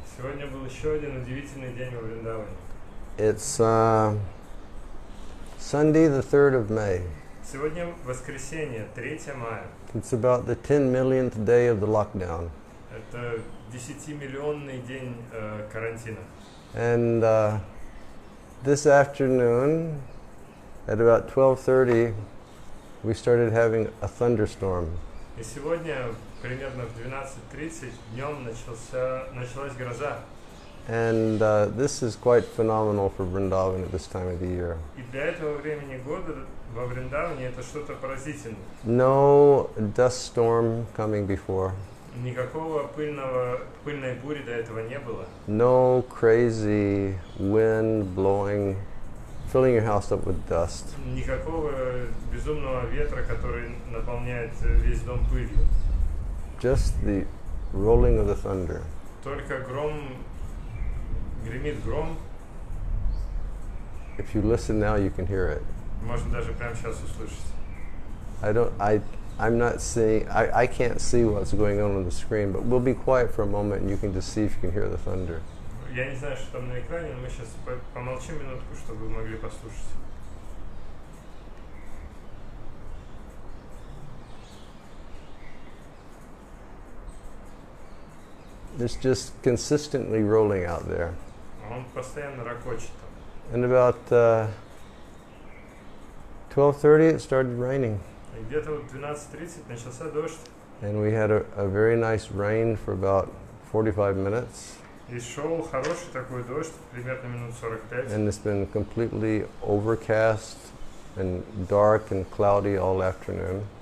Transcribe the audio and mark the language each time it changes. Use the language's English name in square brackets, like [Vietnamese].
[Russian] Сегодня был еще один удивительный день в Вриндаване. [English] It's Sunday, the 3rd of May. [Russian] Сегодня воскресенье, 3 мая. [English] It's about the 10 millionth day of the lockdown. [Russian] Это 10-миллионный день карантина. [English] And this afternoon, at about 12:30, we started having a thunderstorm. [Russian] И сегодня примерно в 12:30 днем началась гроза. [English] And this is quite phenomenal for Vrindavan at this time of the year. [Russian] И для этого времени года во Вриндаване это что-то поразительное. [English] No dust storm coming before. [Russian] Никакого пыльной бури до этого не было. [English] No crazy wind blowing, filling your house up with dust. [Russian] Никакого безумного ветра, который наполняет весь дом пылью. [English] Just the rolling of the thunder. [Russian] Только гром, гремит гром. [English] If you listen now, you can hear it. [Russian] Можно даже прямо сейчас услышать. [English] I can't see what's going on the screen, but we'll be quiet for a moment and you can just see if you can hear the thunder. [Russian] Я не знаю, что там на экране, но мы сейчас помолчим минутку, чтобы вы могли послушать. [English] It's just consistently rolling out there. [Russian] Он постоянно ракочет там. [English] And about 12:30 it started raining. [Russian] И где-то в 12:30 начался дождь. [English] And we had a very nice rain for about 45 minutes. [Russian] И шел хороший такой дождь, примерно минут 45. [English] And it's been completely overcast and dark and cloudy all afternoon.